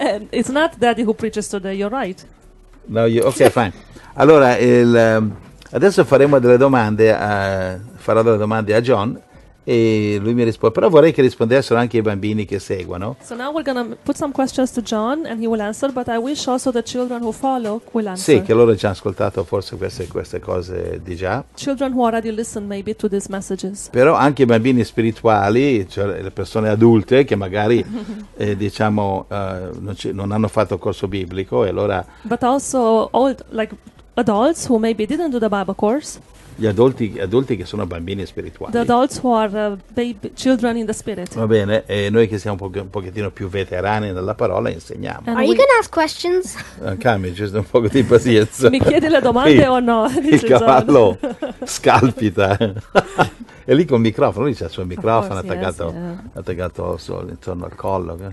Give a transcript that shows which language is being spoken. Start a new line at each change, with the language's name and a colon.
English: It's not daddy who preaches today, you're right. No, you... ok, fine.
Italian: Allora, adesso faremo delle domande, farò delle domande a John e lui mi risponde. Però vorrei che rispondessero anche i bambini che seguono.
English: So now we're gonna put some questions to John and he will answer, but I wish also the children who follow will answer.
Italian: Sì, che loro già hanno ascoltato forse queste cose di già.
English: Children who already listened maybe to these messages.
Italian: Però anche i bambini spirituali, cioè le persone adulte che magari diciamo non hanno fatto corso biblico e allora...
English: But also old, like... adults who maybe didn't do the Bible course.
Italian: Gli adulti che sono bambini spirituali.
English: The adults who are baby children in the spirit.
Italian: Va bene, e noi che siamo un pochettino più veterani nella parola insegniamo.
English: And are you gonna ask questions?
Italian: Calmi, giusto un poco di pazienza. Mi chiedi le domande o no? Il cavallo scalpita. E lì con il microfono, lì c'è il suo microfono attaccato intorno al collo.